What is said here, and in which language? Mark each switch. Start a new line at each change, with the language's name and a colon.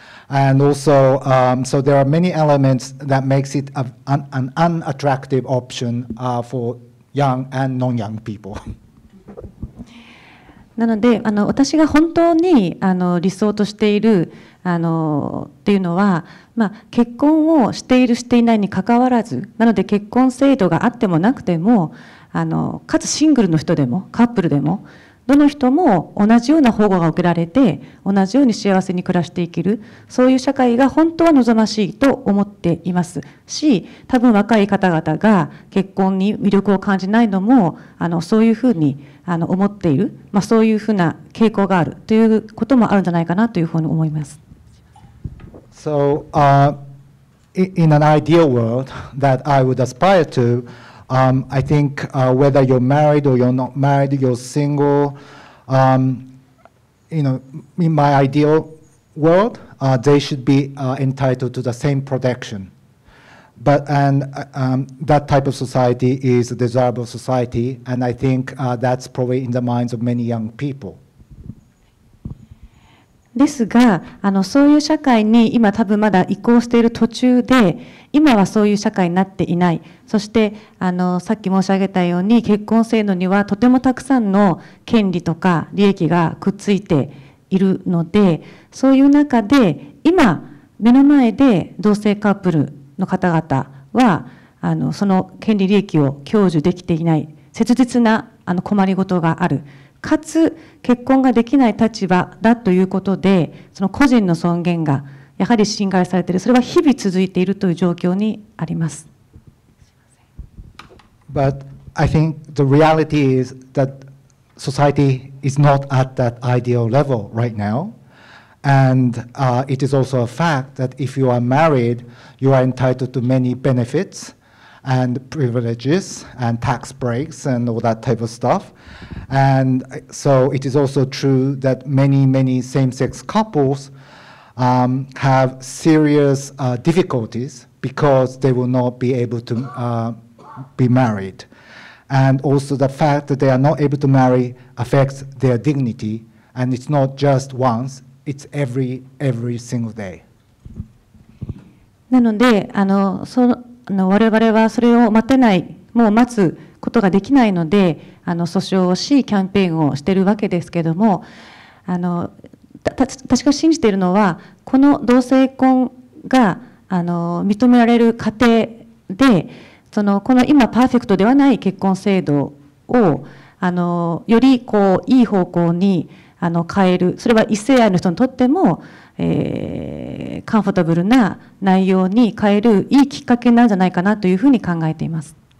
English: And also, so there are many elements that makes it an unattractive option for young and non-young people.
Japanese: なので、私が本当に理想としているっていうのは、まあ、結婚をしているしていないに関わらず、なので結婚制度があってもなくても、かつシングルの人でもカップルでもどの人も同じような保護が受けられて同じように幸せに暮らしていけるそういう社会が本当は望ましいと思っていますし多分若い方々が結婚に魅力を感じないのもそういうふうに思っている、まあ、そういうふうな傾向があるということもあるんじゃないかなというふうに思います。
English: So, in an ideal world that I would aspire to,I think whether you're married or you're not married, you're single, you know, in my ideal world, they should be entitled to the same protection. But, that type of society is a desirable society, and I think that's probably in the minds of many young people. ですがそういう社会に今多分まだ移行している途中で今はそういう社会になっていないそしてさっき申し上げたように結婚制度にはとてもたくさんの権利とか利益がくっついているのでそういう中で今目の前で同性カップルの方々はその権利利益を享受できていない切実な困りごとがある。かつ結婚ができない立場だということで、その個人の尊厳がやはり侵害されている、それは日々続いているという状況にあります。 But I think the reality is that society is not at that ideal level right now. And it is also a fact that if you are married, you are entitled to many benefits. And privileges and tax breaks and all that type of stuff. And so it is also true that many, many same-sex couples have serious difficulties because they will not be able to be married. And also the fact that they are not able to marry affects their dignity. And it's not just once, it's every single day.
Japanese: なので、その我々はそれを待てない、もう待つことができないので、訴訟をし、キャンペーンをしているわけですけれども、確か信じているのは、この同性婚が認められる過程で、この今、パーフェクトではない結婚制度を、よりこういい方向に変える、それは異性愛の人にとっても、カンフォータブルな内容に変えるいいきっかけなんじゃないかなというふうに考えています。